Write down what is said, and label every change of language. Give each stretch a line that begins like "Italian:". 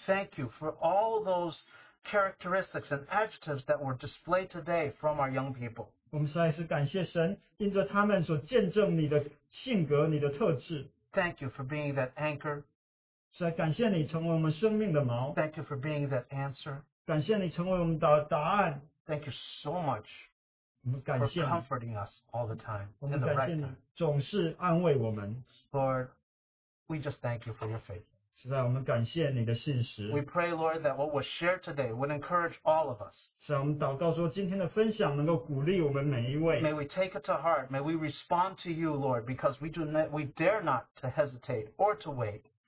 English: Thank you for all those characteristics and adjectives that were displayed today from our young people.
Chinese: 我们实在是感谢神，因着他们所见证你的性格、你的特质。
English: Thank you for being that anchor.
Chinese: 是感谢你成为我们生命的锚。
English: Thank you for being that answer.
Chinese: 感谢你成为我们的答案。
English: Thank you so much for comforting us all the time in the right time.
Chinese: 总是安慰我们。
English: Lord, we just thank you for your faith.
Chinese: 是我们感谢你的信实。
English: We pray, Lord, that what was shared today would encourage all of us.
Chinese: 是我们祷告说今天的分享能够鼓励我们每一位。
English: May we take it to heart. May we respond to you, Lord, because we dare not to hesitate or to wait.